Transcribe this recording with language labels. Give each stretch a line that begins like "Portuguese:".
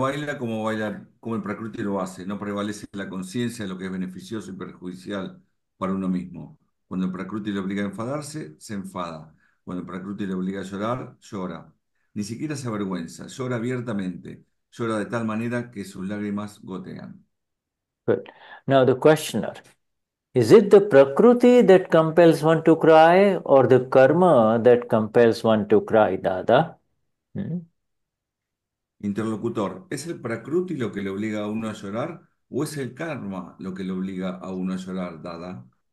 Spanish: baila como baila, como el prakriti lo hace. No prevalece la conciencia de lo que es beneficioso y perjudicial para uno mismo. Cuando el prakriti le obliga a enfadarse, se enfada. Cuando el prakriti le obliga a llorar, llora. Ni siquiera se avergüenza, llora abiertamente. Llora de tal manera que sus lágrimas gotean.
English: Good. Now the questioner, is it the prakriti that compels one to cry or the karma that compels one to cry, Dada?
Spanish: Interlocutor, ¿es el prakruti lo que le obliga a uno a llorar o es el karma lo que le obliga a uno a llorar, Dada?